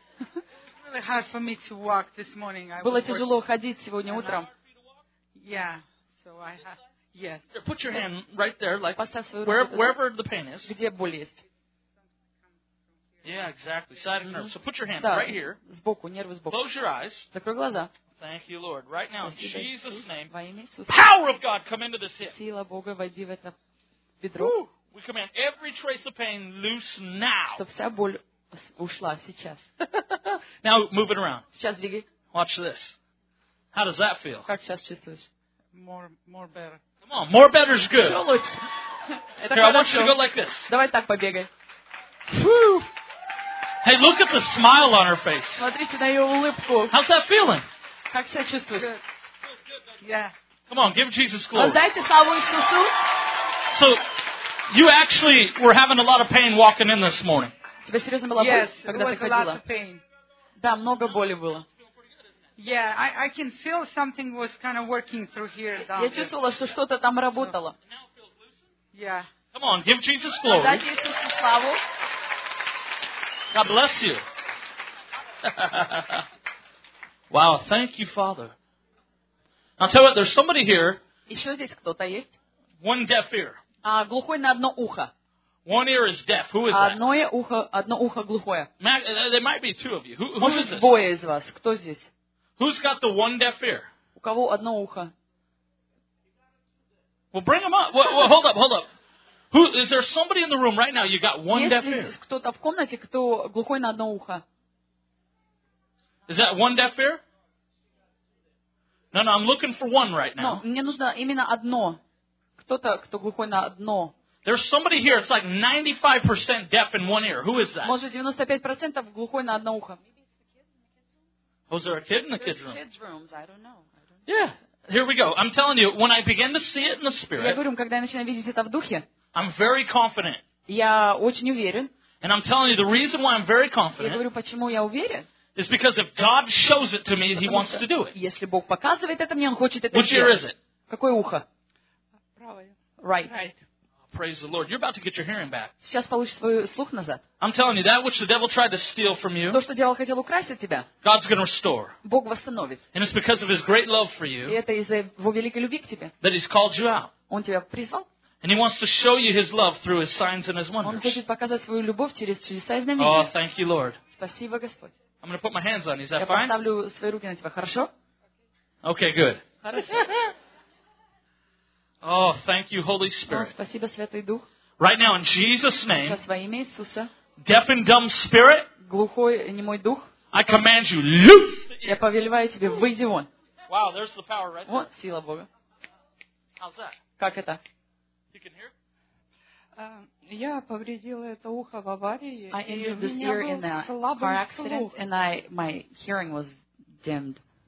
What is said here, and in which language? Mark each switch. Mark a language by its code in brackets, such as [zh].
[en] Really hard for me to walk this morning. [ru] Было тяжело ходить сегодня утром. [en] Yeah. So I have. Yes. Yeah. Put your hand right there, like [ru] поставь свою руку [en] wherever the pain is. [ru] Где боль есть. [en] Yeah, exactly. Side of nerve. So put your hand right here. [ru] Сбоку, нервы сбоку. [en] Close your eyes. [ru] Закрой глаза. [en] Thank you, Lord. Right now, in Jesus' name, [ru] во имя Иисуса, [en] power of God, come into this hip. [ru] Сила Бога, войди в это бедро. [en] We command every trace of pain loose now. [ru] Чтоб вся боль ушла сейчас. [en] Now move it around. [ru] Сейчас двигай. [en] Watch this. How does that feel? [ru] Как сейчас чувствуешь? [en] More better. Come on, more better is good. [ru] Всё лучше. [en] Here, I want you to go like this. [ru] Давай так побегай. [en] Hey, look at the smile on her face. [ru] Смотрите на её улыбку. [en] How's that feeling? [ru] Как себя чувствуешь? [en] Good. Yeah. Come on, give Jesus glory. [ru] Отдайте славу Иисусу. [en] So, you actually were having a lot of pain walking in this morning. [ru] Тебе серьёзно была боль, когда ты ходила? [en] Yes, it was a lot of pain. [ru] Да, много боли было. [en] Yeah, I can feel something was kind of working through here. [ru] Я чувствовала, что что-то там работало. [en] Yeah. Come on, give Jesus glory. [ru] Отдайте Иисусу славу. [en] God bless you. Wow, thank you, Father. I'll tell you what, there's somebody here. [ru] Еще здесь кто-то есть? [en] One deaf ear. [ru] А глухой на одно ухо. [en] One ear is deaf. Who is that? [ru] Одно ухо глухое. [en] There might be two of you. Who is this? [ru] Двое из вас. Кто здесь? [en] Who's got the one deaf ear? [ru] У кого одно ухо? [en] Well, bring them up. Well, hold up. Who is there? Somebody in the room right now? You got one deaf ear. [ru] Есть кто-то в комнате, кто глухой на одно ухо? [en] Is that one deaf ear? No, I'm looking for one right now. [ru] Мне нужно именно одно. Кто-то, кто глухой на одно. [en] There's somebody here. It's like 95% deaf in one ear. Who is that? [ru] Может, 95% глухой на одно ухо? [en] Was there a kid in the kids' room? Kids' rooms. I don't know. Yeah. Here we go. I'm telling you, when I begin to see it in the spirit, [ru] я говорю, когда я начинаю видеть это в духе, [en] I'm very confident. [ru] Я очень уверен. [en] And I'm telling you, the reason why I'm very confident, [ru] я говорю, почему я уверен, [en] is because if God shows it to me, He wants to do it. [ru] Если Бог показывает это мне, Он хочет это сделать. [en] Which ear is it? [ru] Какое ухо? Правое. [en] Right. Praise the Lord. You're about to get your hearing back. [ru] Сейчас получишь свой слух назад. [en] I'm telling you, that which the devil tried to steal from you, [ru] то, что дьявол хотел украсть от тебя, [en] God's going to restore. [ru] Бог восстановит. [en] And it's because of His great love for you, [ru] и это из-за Его великой любви к тебе, [en] that He's called you out. [ru] Он тебя призвал. [en] And He wants to show you His love through His signs and His wonders. [ru] Он хочет показать свою любовь через чудеса и знамения. [en] Oh, thank you, Lord. [ru] Спасибо, Господь. [en] I'm going to put my hands on you. Is that [ru] Я [en] fine? [ru] Я поставлю свои руки на тебя. Хорошо? [en] Okay, good. [ru] Хорошо. [en] Oh, thank you, Holy Spirit. [ru] О, спасибо, Святой Дух. [en] Right now, in Jesus' name, [ru] сейчас во имя Иисуса, [en] deaf and dumb spirit, [ru] глухой и немой дух, [en] I command you, loose! [ru] Я повелеваю тебе, выйди вон. [en] Wow, there's the power right there. [ru] Вот сила Бога. [en] How's that? [ru] Как это? [en] You can hear? [ru] Я повредила это ухо в аварии, [en] I injured this ear in a car accident, and my hearing was dimmed.